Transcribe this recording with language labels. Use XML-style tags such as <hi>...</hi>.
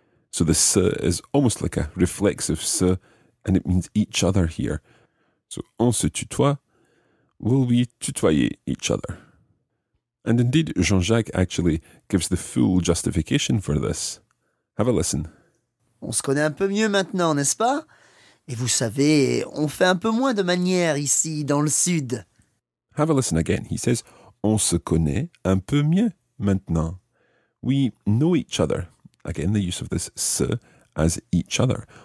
<en>So the se is almost like a reflexive se and it means each other here.</en> <fr>So on se tutoie.</fr> <en>Will we tutoyer each other? And indeed, Jean-Jacques actually gives the full justification for this. Have a listen.</en> <fr>On se connaît un peu mieux maintenant, n'est-ce pas? Et vous savez, on fait un peu moins de manières ici, dans le sud.</fr> <en>Have a listen again. He says,</en> <fr>on se connaît un peu mieux maintenant.</fr> <en>We know each other. Again, the use of this se as each other.</en>